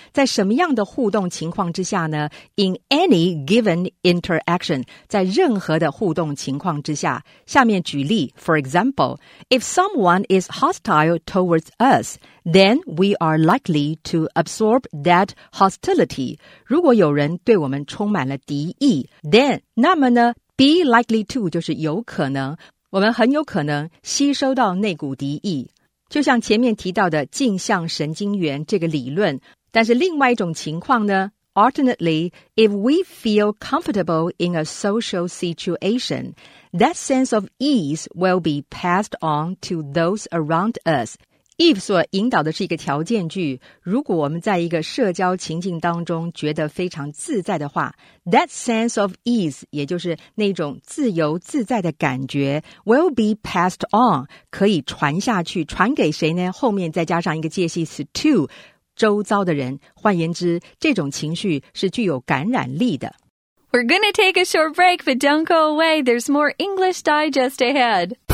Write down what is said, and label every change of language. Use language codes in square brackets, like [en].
[zh] 在什么样的互动情况之下呢？ [en] In any given interaction， [zh] 在任何的互动情况之下。下面举例， [en] For example， if someone is hostile towards us， then we are likely to absorb that hostility。 [zh] 如果有人对我们充满了敌意， then 那么呢， [en] be likely to [zh] 就是有可能，我们很有可能吸收到那股敌意，就像前面提到的镜像神经元这个理论。但是另外一种情况呢， [en] Alternately, if we feel comfortable in a social situation, that sense of ease will be passed on to those around us. [zh] If 所引导的是一个条件句，如果我们在一个社交情境当中觉得非常自在的话， [en] that sense of ease， [zh] 也就是那种自由自在的感觉， [en] will be passed on， [zh] 可以传下去，传给谁呢？后面再加上一个介系词 to， 周遭的人。换言之，这种情绪是具有感染力的。 [en] We're gonna take a short break, but don't go away. There's more English Digest ahead.